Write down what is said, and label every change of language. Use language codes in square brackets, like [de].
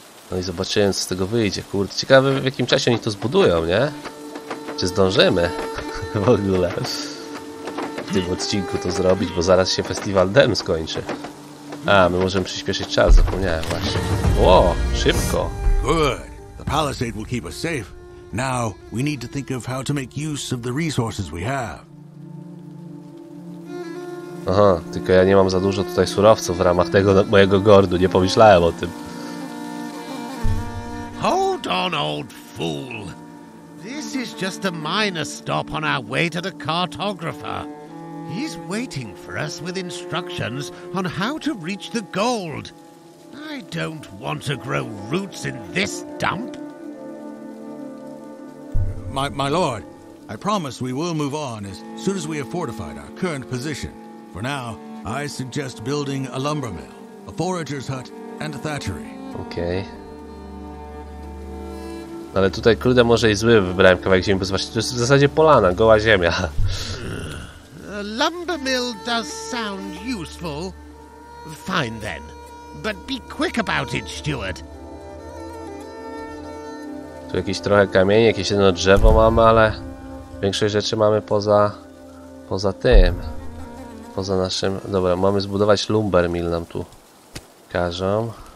[pl] No i zobaczyłem, co z tego wyjdzie. Kurde, ciekawe, w jakim czasie oni to zbudują, nie? Czy zdążymy w ogóle w tym odcinku to zrobić, bo zaraz się festiwal Dem skończy. A, my możemy przyspieszyć czas, zapomniałem właśnie. Ło, szybko. [en] Good. The palisade will keep us safe. Now we need to think of how to make use of the resources we have. [pl] Aha, tylko ja nie mam za dużo tutaj surowców w ramach tego mojego gordu, nie pomyślałem o tym. [en] Hold on, old fool. This is just a minor stop on our way to the cartographer. He's waiting for us with instructions on how to reach the gold. I don't want to grow roots in this dump. My lord, I promise we will move on as soon as we have fortified our current position. For now, I suggest building a lumber mill, a forager's hut, and a thatchery. [pl] Okej. [en] Okay. [pl] Ale tutaj kurde może i zły wybrałem kawałek ziemi, bo właśnie to jest w zasadzie polana, goła ziemia. [en] A lumber mill does sound useful. Fine then. But be quick about it, steward. [pl] Tu jakieś trochę kamieni, jakieś jedno drzewo mamy, ale większość rzeczy mamy poza tym. Poza naszym... Dobra, mamy zbudować lumber mill nam tu każą.